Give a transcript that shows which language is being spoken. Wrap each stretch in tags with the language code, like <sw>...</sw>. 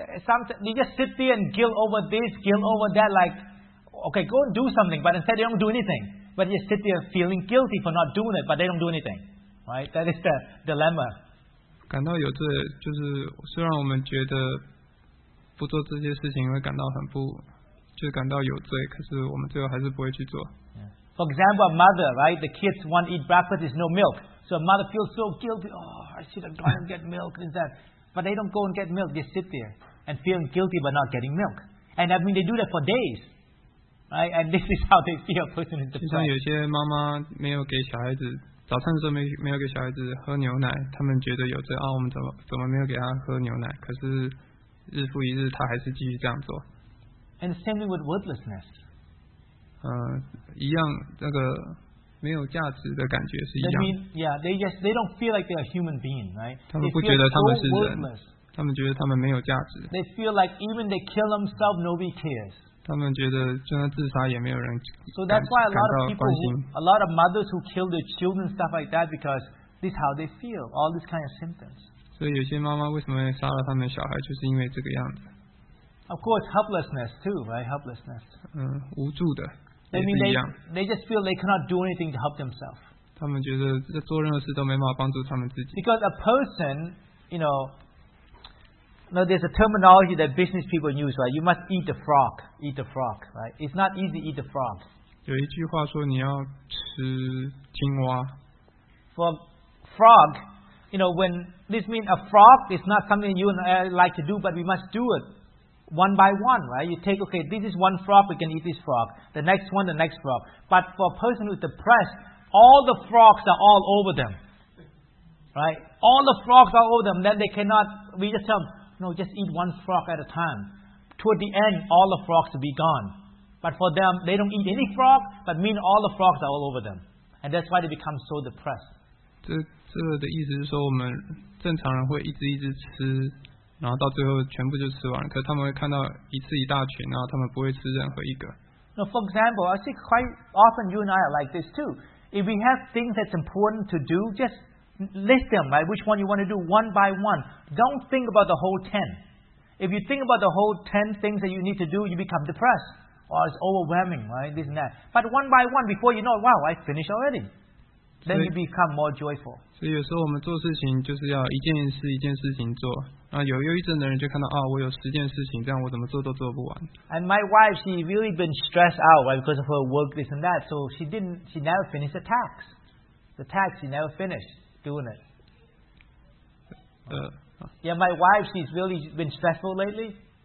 <en>Sometimes they just sit there and guilt over this, guilt over that. Like, okay, go and do something, but instead they don't do anything. But you sit there feeling guilty for not doing it, but they don't do anything. Right? That is the dilemma.</en> <zh>感到有罪，就是虽然我们觉得不做这些事情会感到很不，就感到有罪，可是我们最后还是不会去做。</zh> <en>Yeah. For example, a mother, right? The kids want to eat breakfast, there's no milk. So a mother feels so guilty. Oh, I should have gone and get milk and that. But they don't go and get milk. They sit there and feel guilty about not getting milk. And I mean, they do that for days, right? And this is how they feel. Person is depressed.</en> <zh>像有些妈妈没有给小孩子。早餐的时候没有给小孩子喝牛奶，他们觉得有罪啊！我们怎么没有给他喝牛奶？可是日复一日他还是继续这样做。</zh> <en>And same thing with worthlessness.</en> <zh>一样那个没有价值的感觉是一样。</zh> <en>That means, yeah, they don't feel like they are human being, right?</en> <zh>他们不觉得他们是人，他们觉得他们没有价值。</zh> <en>They feel like even they kill themselves, nobody cares.</en> <zh>他们觉得就算自杀也没有人感到关心。</zh> <en>So that's why a lot of mothers who kill their children, stuff like that, because this is how they feel, all these kind of symptoms.</en> <zh>所以有些妈妈为什么杀了他们小孩，就是因为这个样子。</zh> <en>Of course, helplessness too, right? Helplessness.</en> <zh>无助的。</zh> <en>That means they just feel they cannot do anything to help themselves.</en> <zh>他们觉得做任何事都没办法帮助他们自己。</zh> <en>Because a person, you know, now there's a terminology that business people use, right? You must eat the frog, right? It's not easy to eat the frog.</en> <zh>有一句话说你要吃青蛙。</zh> <en>For frog, you know, when this means a frog is not something you and I like to do, but we must do it. One by one, right? You take, okay, this is one frog, we can eat this frog. The next one, the next frog. But for a person who's depressed, all the frogs are all over them. Right? All the frogs are over them. Then they cannot, we just tell them, no, just eat one frog at a time. Toward the end, all the frogs will be gone. But for them, they don't eat any frog, but mean all the frogs are all over them. And that's why they become so depressed.</en> <zh>这的意思是说我们正常人会一直一直吃然后到最后全部就吃完了，可是他们会看到一次一大群，然后他们不会吃任何一个。</zh> <en>Now, for example, I think quite often you and I are like this too. If we have things that's important to do, just list them, right? Which one you want to do one by one. Don't think about the whole 10. If you think about the whole 10 things that you need to do, you become depressed. Or it's overwhelming, right? This and that. But one by one, before you know, wow, I finished already. Then you become more joyful.</en> <zh>所以有时候我们做事情就是要一件事一件事情做。啊，有忧郁症的人就看到啊，我有十件事情，这样我怎么做都做不完。</zh> <en>And my wife, she really been stressed out, right, because of her work, this and that. So she never finished the task. The task, she never finished doing it. Yeah, my wife, she's really been stressful lately.</en>